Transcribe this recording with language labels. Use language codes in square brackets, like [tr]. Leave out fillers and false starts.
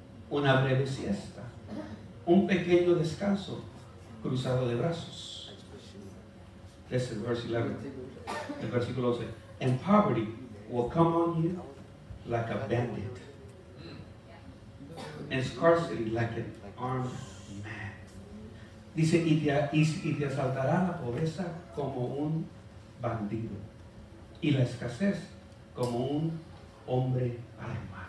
[es] una breve siesta, un pequeño descanso cruzado de brazos. [en] This is verse 11, [es] el versículo 12. [en] And poverty will come on you like a bandit, and scarcity like an armed man. [es] Dice, y te asaltará la pobreza como un bandido, y la escasez como un hombre armado.